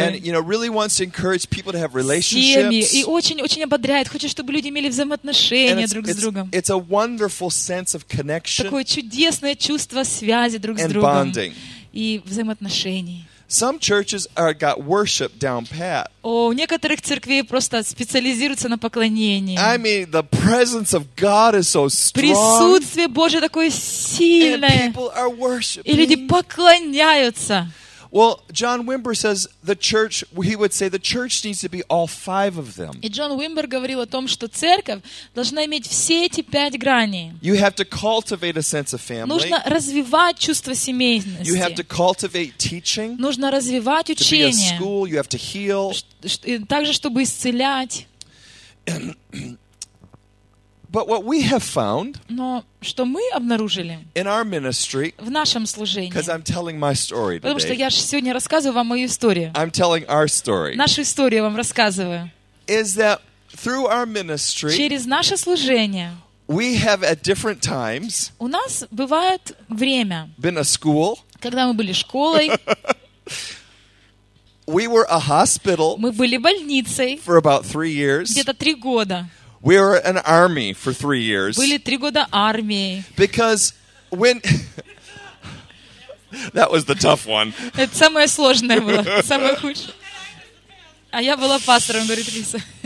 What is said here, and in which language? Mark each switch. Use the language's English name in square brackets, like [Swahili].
[English] And you know, really wants to encourage people to have relationships. [Russian] Семьи. И очень-очень ободряет, хочет, чтобы люди имели взаимоотношения друг с другом. [English] It's a wonderful sense of connection. [Russian] Такое чудесное чувство связи друг с другом. [English] And bonding. [Russian] И взаимоотношений. [English] Some churches are got worship down pat. [Russian] О, некоторых церквей просто специализируются на поклонении. [English] I mean, the presence of God is so strong. [Russian] Присутствие Божье такое сильное. [English] And people are worshiping. [Russian] И люди поклоняются. [English] Well, John Wimber says the church. He would say the church needs to be all five of them. [Russian] И Джон Уимбер говорил о том, что церковь должна иметь все эти пять граней. [English] You have to cultivate a sense of family. [Russian] Нужно развивать чувство семейности. [English] You have to cultivate teaching. [Russian] Нужно развивать учение. [English] To be a school, you have to heal. [Russian] Также чтобы исцелять. [English] But what we have found, [Russian] но что мы обнаружили [English] in our ministry, [Russian] в нашем служении, [English] because I'm telling my story today, [Russian] потому что я же сегодня рассказываю вам мою историю, [English] I'm telling our story, [Russian] нашу историю вам рассказываю, [English] is that through our ministry, [Russian] через наше служение, [English] we have at different times, [Russian] у нас бывает время, [English] been a school, [Russian] когда мы были школой, [English] we were a hospital, [Russian] мы были больницей, [English] for about 3 years, [Russian] где-то 3 года. [English] We were an army for 3 years. [Russian] Были 3 года армией. [English] Because when that was the tough one. [Russian] Это самое сложное было, самое худшее. А я была пастором, говорит Лиса.